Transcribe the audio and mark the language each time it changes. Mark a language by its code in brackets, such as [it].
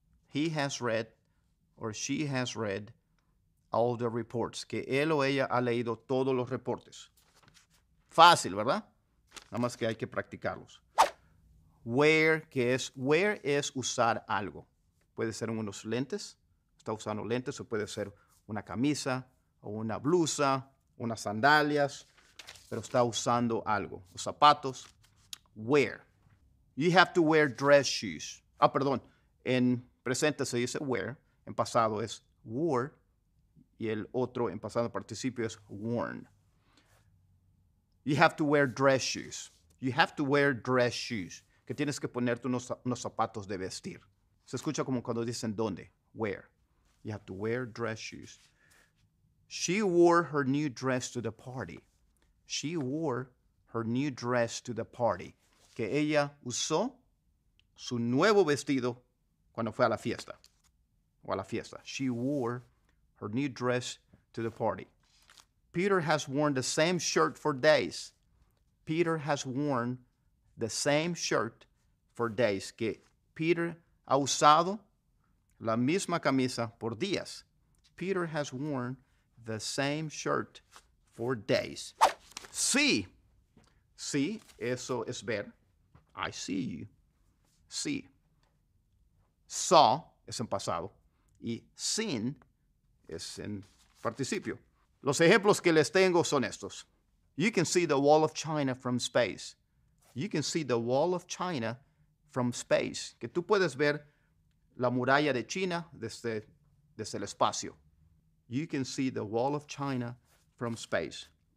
[en] He has read, or she has read, all the reports. [es] Que él o ella ha leído todos los reportes. Fácil, ¿verdad? Nada más que hay que practicarlos. Wear, que es, wear es usar algo. Puede ser unos lentes. Está usando lentes o puede ser una camisa o una blusa, unas sandalias, pero está usando algo, los zapatos. [en] Wear. You have to wear dress shoes. [es] Ah, perdón. [en] En presente se dice wear. En pasado es wore. [es] Y el otro en pasado participio es worn. [en] You have to wear dress shoes. You have to wear dress shoes. [es] Que tienes que ponerte unos zapatos de vestir. Se escucha como cuando dicen dónde. [en] Wear. You have to wear dress shoes. She wore her new dress to the party. She wore her new dress to the party. [es] Que ella usó su nuevo vestido cuando fue a la fiesta. O a la fiesta. [en] She wore her new dress to the party. Peter has worn the same shirt for days. Peter has worn the same shirt for days. [es] Que Peter ha usado la misma camisa por días. [en] Peter has worn the same shirt for days. See. See, [es] eso es ver. [en] I see you. See. [es] Saw es en pasado. Y seen es en participio. Los ejemplos que les tengo son estos. [en] You can see the wall of China from space. You can see the wall of China from space. [es] Que tú puedes ver la muralla de China desde el espacio. [en] You can see the wall of China from space.